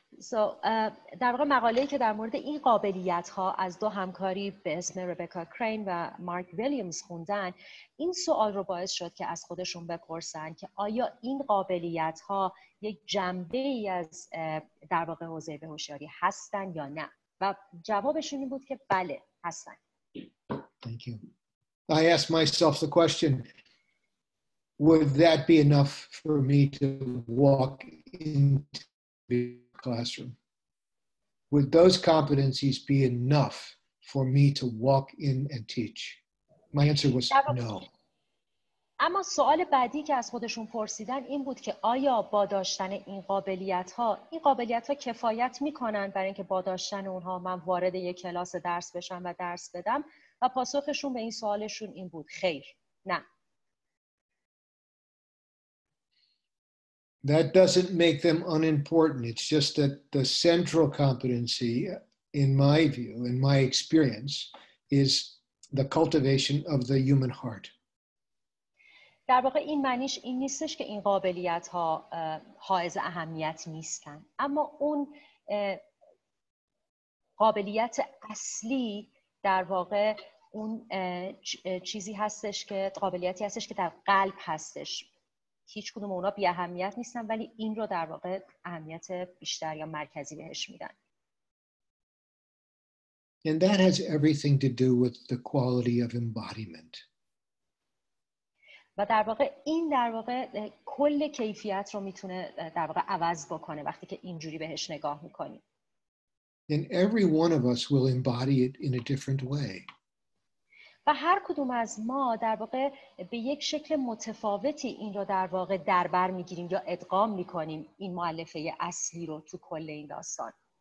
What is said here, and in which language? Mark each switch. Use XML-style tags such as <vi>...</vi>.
<fa>So, در واقع مقاله‌ای که در مورد این قابلیت‌ها از دو همکاری به اسم ربکا کرین و مارک ویلیامز خوندن، این سوال رو باعث شد که از خودشون بپرسن که آیا این قابلیت‌ها یک جنبه‌ای از در واقع حوزه هوشیاری هستن یا نه؟ و جوابشون این بود که بله، هستن.</fa> <en>Thank you. I asked myself the question, would that be enough for me to walk into the classroom? Would those competencies be enough for me to walk in and teach? My answer was no.</en> <fa>اما سوال بعدی که از خودشون پرسیدن این بود که آیا با داشتن این قابلیت‌ها کفایت می‌کنن برای اینکه با داشتن اونها من وارد یک کلاس درس بشم و درس بدم؟ و پاسخشون به این سوالشون این بود: خیر، نه.</fa> <en>That doesn't make them unimportant. It's just that the central competency, in my view, in my experience, is the cultivation of the human heart.</en> <fa>در واقع این معنیش این نیستش که این قابلیت ها حائز اهمیت نیستن اما اون قابلیت اصلی در واقع اون چیزی هستش که قابلیتی هستش که در قلب هستش هیچ کدوم اونا بی اهمیت نیستن ولی این رو در واقع اهمیت بیشتر یا مرکزی بهش میدن</fa> <en>And that has everything to do with the quality of embodiment.</en> <fa>و در واقع این در واقع کل کیفیت رو میتونه در واقع عوض بکنه وقتی که اینجوری بهش نگاه میکنیم.</fa> <en>And every one of us will embody it in a different way.</en> <fa>و هر کدوم از ما در واقع به یک شکل متفاوتی این رو در واقع دربر میگیریم یا ادغام میکنیم این مؤلفه اصلی رو تو کل این داستان.</fa>